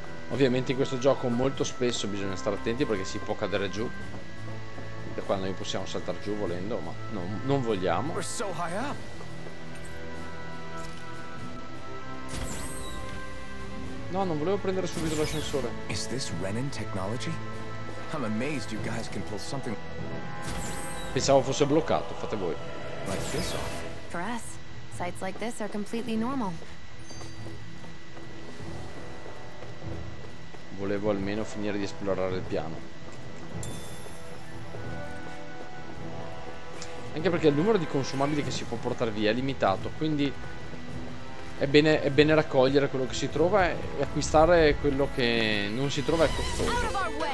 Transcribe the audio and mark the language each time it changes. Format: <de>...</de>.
<it>Ovviamente in questo gioco molto spesso bisogna stare attenti perché si può cadere giù. Da qua noi possiamo saltare giù volendo, ma non vogliamo. No, non volevo prendere subito l'ascensore.</it> <en>Is this Renan technology? I'm amazed you guys can pull something.</en> <it>Pensavo fosse bloccato, fate voi.</it> <en>For us, sites like this are completely normal.</en> <it>Volevo almeno finire di esplorare il piano. Anche perché il numero di consumabili che si può portare via è limitato, quindi è bene raccogliere quello che si trova e acquistare quello che non si trova è costoso.</it>